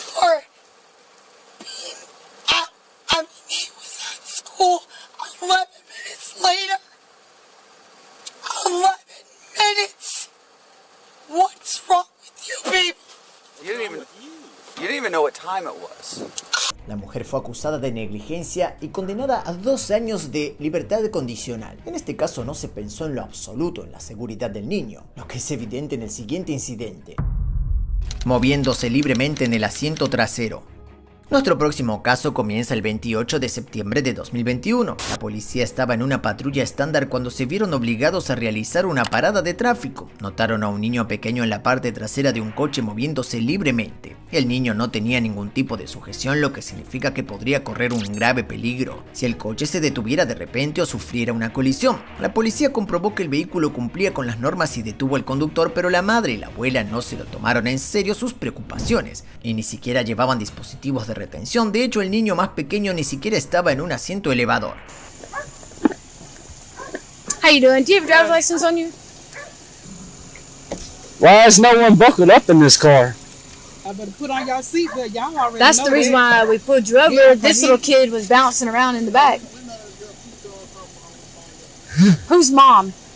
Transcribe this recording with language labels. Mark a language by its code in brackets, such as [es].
[en] For being out. I mean, he was at school 11 minutes later. 11 minutes! What's wrong with you people? You didn't even... You didn't even know what time it was. [es] La mujer fue acusada de negligencia y condenada a 12 años de libertad condicional. En este caso no se pensó en lo absoluto en la seguridad del niño, lo que es evidente en el siguiente incidente. Moviéndose libremente en el asiento trasero. Nuestro próximo caso comienza el 28 de septiembre de 2021. La policía estaba en una patrulla estándar cuando se vieron obligados a realizar una parada de tráfico. Notaron a un niño pequeño en la parte trasera de un coche moviéndose libremente. El niño no tenía ningún tipo de sujeción, lo que significa que podría correr un grave peligro si el coche se detuviera de repente o sufriera una colisión. La policía comprobó que el vehículo cumplía con las normas y detuvo al conductor, pero la madre y la abuela no se lo tomaron en serio sus preocupaciones y ni siquiera llevaban dispositivos de retención. De hecho, el niño más pequeño ni siquiera estaba en un asiento elevador. [en] How you doing? Do you have a driver's license on you? Why is no one buckled up in this car? I better put on y'all seat, but y'all already that's know the reason why we pulled you over. Yeah, this little kid was bouncing around in the back. Who's mom?